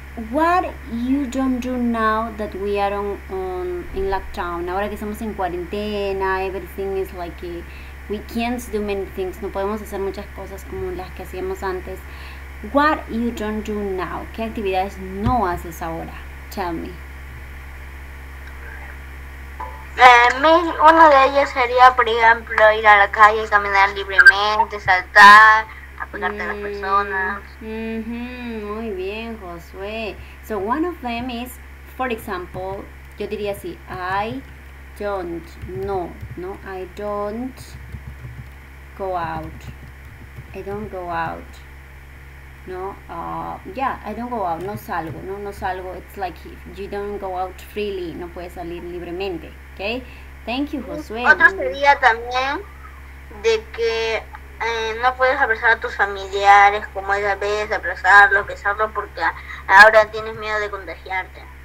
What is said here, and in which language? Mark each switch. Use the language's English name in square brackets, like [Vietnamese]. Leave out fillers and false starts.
[English] What you don't do now that we are in lockdown? [Spanish] Ahora que estamos en cuarentena, [English] everything is like we can't do many things. [Spanish] No podemos hacer muchas cosas como las que hacíamos antes. What you don't do now? ¿Qué actividades no haces ahora? Tell me. Uno de ellos sería, por ejemplo, ir a la calle, caminar libremente, saltar, apoyarte a las personas. Muy bien, Josué. [English] So one of them is, for example, [Spanish] yo diría así, [English] I don't, no, I don't go out. I don't go out. No, I don't go out, [Spanish] no salgo, [English] it's like you don't go out freely, [Spanish] no puedes salir libremente, [English] okay? Thank you, Josué. [Spanish] Otro sería también de que no puedes abrazar a tus familiares como esa vez, abrazarlos, besarlos, porque ahora tienes miedo de contagiarte.